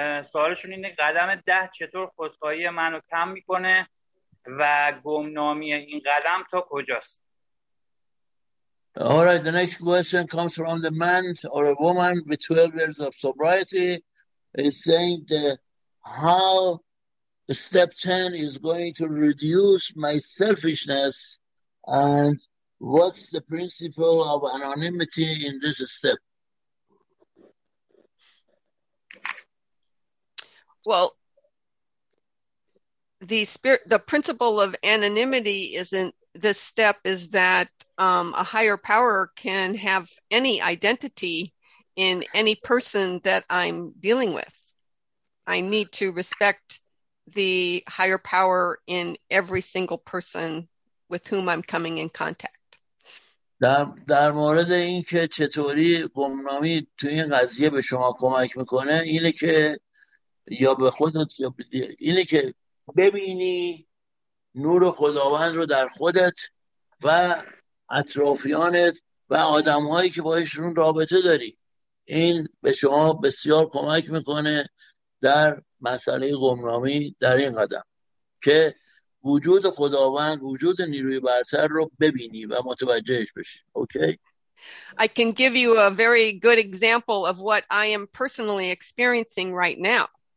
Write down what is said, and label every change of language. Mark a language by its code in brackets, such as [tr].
[fa] سوالشون اینه قدم 10 چطور خودخواهی منو کم میکنه و گمنامی این قدم تا کجاست؟ [en] All right, the next question comes from the man or a woman with 12 years of sobriety. He's saying how step 10 is going to reduce my selfishness and what's the principle of anonymity in this step? Well, the spirit, the principle of anonymity is in this step is that a higher power can have any identity in any person that I'm dealing with. I need to respect the higher power in every single person with whom I'm coming in contact. [fa] در مورد این که چطوری گمنامی تو این قضیه به شما کمک میکنه اینه که یا به خودت یا به دیگر اینه که ببینی نور خداوند رو در خودت و اطرافیانت و آدمهایی که باهاشون رابطه داری. این به شما بسیار کمک میکنه در مسئله گمنامی در این قدم که وجود خداوند، وجود نیروی برتر رو ببینی و متوجهش بشی. [en] Okay? I can give you a very good example of what I am personally experiencing right now.